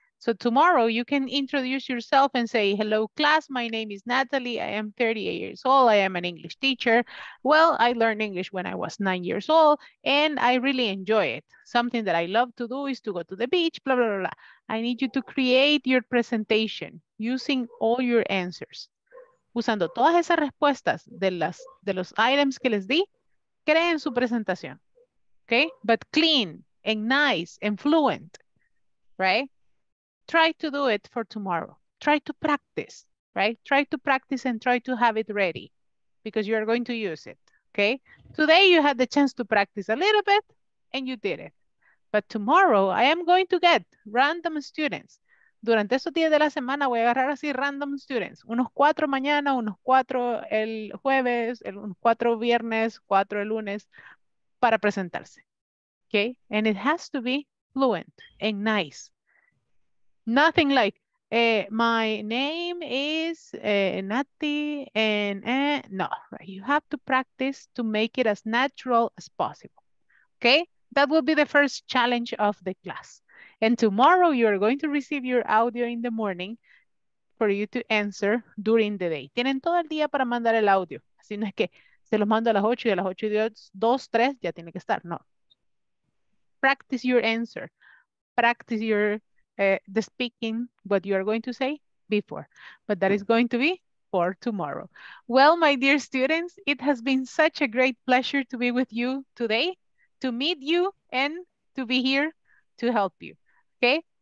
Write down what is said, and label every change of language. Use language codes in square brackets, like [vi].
[en] So tomorrow you can introduce yourself and say, hello class, my name is Natalie, I am 38 years old, I am an English teacher. Well, I learned English when I was 9 years old and I really enjoy it. Something that I love to do is to go to the beach, blah, blah, blah, blah. I need you to create your presentation using all your answers. [es] Usando todas esas respuestas de los items que les di, creen su presentación, okay? [en] But clean and nice and fluent, right? Try to do it for tomorrow. Try to practice, right? Try to practice and try to have it ready because you are going to use it, okay? Today you had the chance to practice a little bit and you did it. But tomorrow I am going to get random students. [es] Durante esos días de la semana voy a agarrar así [en] random students. [es] Unos cuatro mañana, unos cuatro el jueves, unos cuatro viernes, cuatro el lunes para presentarse, okay? [en] And it has to be fluent and nice. Nothing like, my name is Nati and no, right? You have to practice to make it as natural as possible, okay? That will be the first challenge of the class. And tomorrow you're going to receive your audio in the morning for you to answer during the day. [es] Tienen todo el día para mandar el audio. Así no es que se los mando a las 8 y a las 8 y 2, 3, ya tiene que estar, no. [en] Practice your answer. Practice your the speaking, what you are going to say before. But that is going to be for tomorrow. Well, my dear students, it has been such a great pleasure to be with you today, to meet you, and to be here to help you. Okay?